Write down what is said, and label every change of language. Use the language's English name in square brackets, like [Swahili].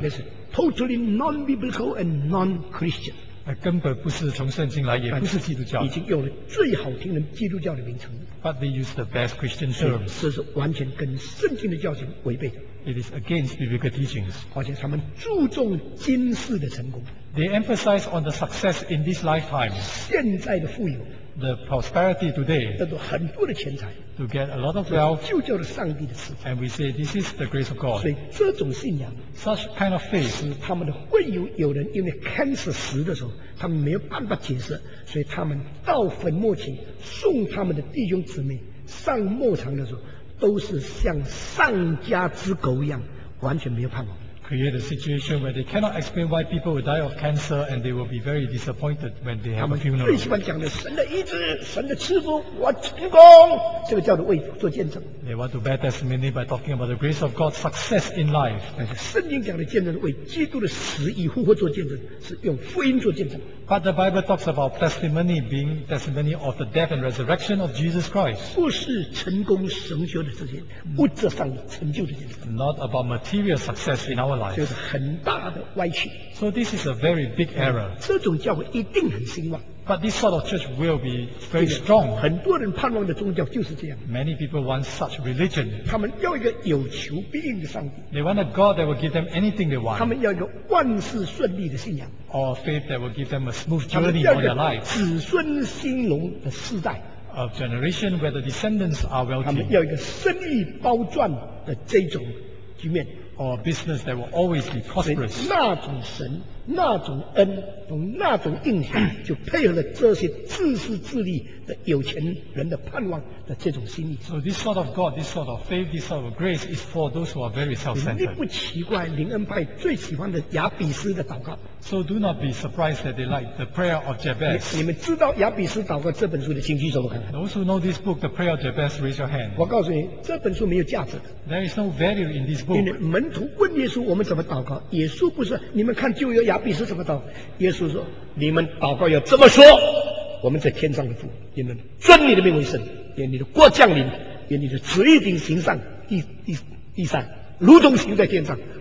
[English] Yes, totally non-biblical and non-Christian. [Chinese] 根本不是从圣经来，也不是基督教。已经有了最好听的基督教的名称。 [English] But they use the best Christian terms. [Chinese] 这是完全跟圣经的教训违背的。 [English] It is against biblical teachings. [Chinese] 而且他们注重今世的成功。 [English] They emphasize on the success in this lifetime. [Chinese] 现在的富有。 [English] The prosperity today. [Chinese] 得到很多的钱财。 [English] To get a lot of wealth. [Chinese] 就叫做上帝的赐福。 [English] And we say this is the grace of God. [Chinese] 所以这种信仰。 [English] Such kind of faith. [Chinese] 使他们的会友有人因为 cancer 死的时候，他们没有办法解释，所以他们到坟墓前送他们的弟兄姊妹上墓场的时候。都是像丧家之狗一样，完全没有盼望。 [English] Create a situation where they cannot explain why people will die of cancer and they will be very disappointed when they have a funeral. [Chinese] 他们最喜欢讲的，神的医治，神的赐福，我成功，这个叫做为主做见证。 [English] They want to bear testimony by talking about the grace of God's success in life. [Chinese] 但是圣经讲的见证，为基督的死以复活做见证，是用福音做见证。 [English] But the Bible talks about testimony being testimony of the death and resurrection of Jesus Christ. [Chinese] 不是成功神学的事情，物质上成就的事情。 [English] Not about material success in our lives. [Chinese] 就是很大的歪曲。 [English] So this is a very big error. [Chinese] 这种教会一定很兴旺。 [English] But this sort of church will be very strong. [Chinese] 很多人盼望的宗教就是这样。 [English] Many people want such religion. [Chinese] 他们要一个有求必应的上帝。 [English] They want a God that will give them anything they want. [Chinese] 他们要一个万事顺利的信仰。 [English] Or faith that will give them a smooth journey in their lives. [Chinese] 子孙兴隆的世代。 [English] A generation where the descendants are wealthy. [Chinese] 他们要一个生意包赚的这种局面。 [English] Or business that will always be prosperous. [Chinese] 那种神。那种恩，从那种应许，就配合了这些自私自利的有钱人的盼望的这种心意。 [English] So this sort of God, this sort of faith, this sort of grace is for those who are very self-centered. [Chinese] 你不奇怪灵恩派最喜欢的亚比斯的祷告。 [English] So do not be surprised that they like the prayer of Jabez. [Chinese] 你们知道亚比斯祷告这本书的情绪怎么看？ [English] Those who know this book, the prayer of Jabez, raise your hand. [Chinese] 我告诉你，这本书没有价值的。 [English] There is no value in this book. [Chinese] 因为门徒问耶稣我们怎么祷告，耶稣不是你们看旧约亚比斯怎么祷告？耶稣说：“你们祷告要这么说，我们在天上的父，愿人尊你的名为圣，愿你的国降临，愿你的旨意行在地上，地上如同行在天上。”